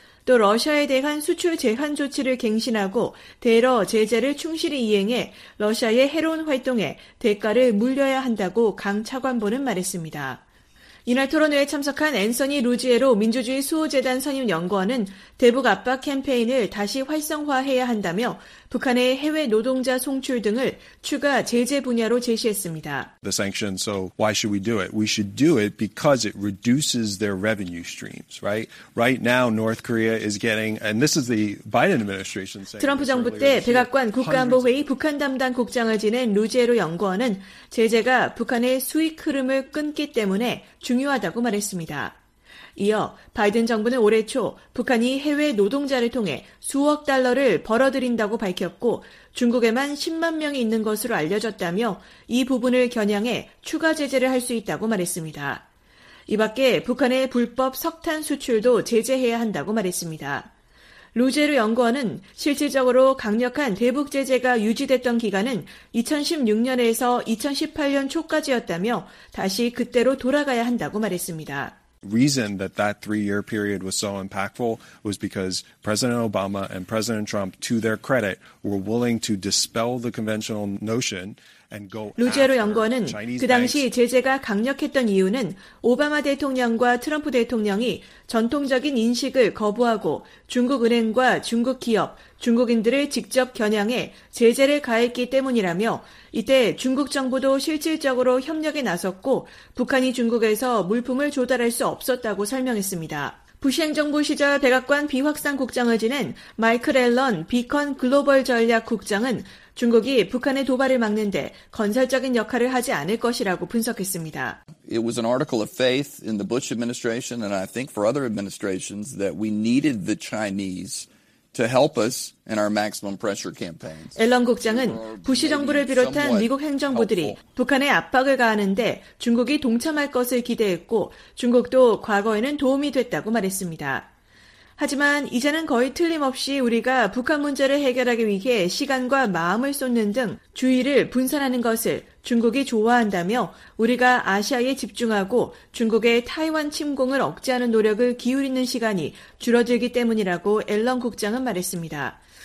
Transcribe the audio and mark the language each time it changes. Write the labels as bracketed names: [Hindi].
[Korean] 또 러시아에 대한 수출 제한 조치를 갱신하고 대러 제재를 충실히 이행해 러시아의 해로운 활동에 대가를 물려야 한다고 강 차관보는 말했습니다. 이날 토론회에 참석한 앤서니 루지에로 민주주의 수호재단 선임 연구원은 대북 압박 캠페인을 다시 활성화해야 한다며 북한의 해외 노동자 송출 등을 추가 제재 분야로 제시했습니다. [English] The sanctions, so why should we do it? We should do it because it reduces their revenue streams, right? Right now, North Korea is getting, and this is the Biden administration saying. [Korean] 트럼프 정부 때 백악관 국가안보회의 북한 담당 국장을 지낸 루지에로 연구원은 제재가 북한의 수익 흐름을 끊기 때문에 중요하다고 말했습니다. 이어 바이든 정부는 올해 초 북한이 해외 노동자를 통해 수억 달러를 벌어들인다고 밝혔고 중국에만 10만 명이 있는 것으로 알려졌다며 이 부분을 겨냥해 추가 제재를 할 수 있다고 말했습니다. 이 밖에 북한의 불법 석탄 수출도 제재해야 한다고 말했습니다. 루제르 연구원은 실질적으로 강력한 대북 제재가 유지됐던 기간은 2016년에서 2018년 초까지였다며 다시 그때로 돌아가야 한다고 말했습니다. [English] Reason that that three-year period was so impactful was because President Obama and President Trump, to their credit, were willing to dispel the conventional notion and go. [Korean] 루제르 연구원은 그 당시 제재가 강력했던 이유는 오바마 대통령과 트럼프 대통령이 전통적인 인식을 거부하고 중국 은행과 중국 기업, 중국인들을 직접 겨냥해 제재를 가했기 때문이라며 이때 중국 정부도 실질적으로 협력에 나섰고 북한이 중국에서 물품을 조달할 수 없었다고 설명했습니다. 부시 행정부 시절 백악관 비확산 국장을 지낸 마이클 앨런 비컨 글로벌 전략 국장은 중국이 북한의 도발을 막는 데 건설적인 역할을 하지 않을 것이라고 분석했습니다. [English] It was an article of faith in the Bush administration and I think for other administrations that we needed the Chinese to help us in our maximum pressure campaigns. [Korean] 앨런 국장은 부시 정부를 비롯한 미국 행정부들이 북한에 압박을 가하는데 중국이 동참할 것을 기대했고 중국도 과거에는 도움이 됐다고 말했습니다. 하지만 이제는 거의 틀림없이 우리가 북한 문제를 해결하기 위해 시간과 마음을 쏟는 등 주의를 분산하는 것을 중국이 좋아한다며 우리가 아시아에 집중하고 중국의 타이완 침공을 억제하는 노력을 기울이는 시간이 줄어들기 때문이라고 앨런 국장은 말했습니다.